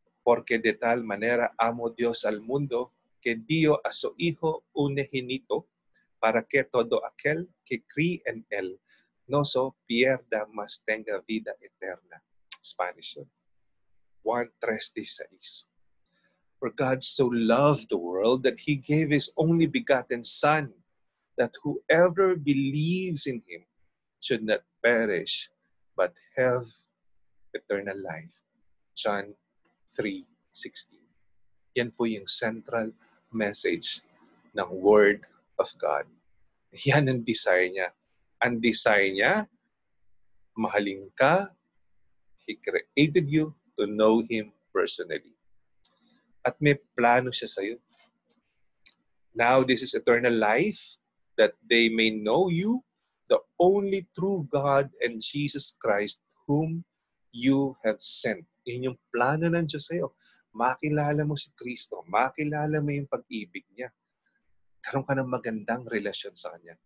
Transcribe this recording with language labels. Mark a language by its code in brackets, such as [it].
[es] Porque de tal manera amo Dios al mundo que dio a su Hijo unigénito para que todo aquel que cree en él no so pierda mas tenga vida eterna. [en] Spanish. 1:36. For God so loved the world that He gave His only begotten Son, that whoever believes in Him should not perish, but have eternal life. [tl] John 3:16. Yan po yung [en] central message [tl] ng Word of God. Yan ang desire niya. Ang desire niya, mahalin ka, [en] He created you to know Him personally. [tl] At may plano siya sa'yo. [en] Now, this is eternal life, that they may know you, the only true God and Jesus Christ whom you have sent. [tl] Yun yung plano ng Diyos sa'yo. Makilala mo si Kristo. Makilala mo yung pag-ibig niya. Karoon ka ng magandang relasyon sa Kanya.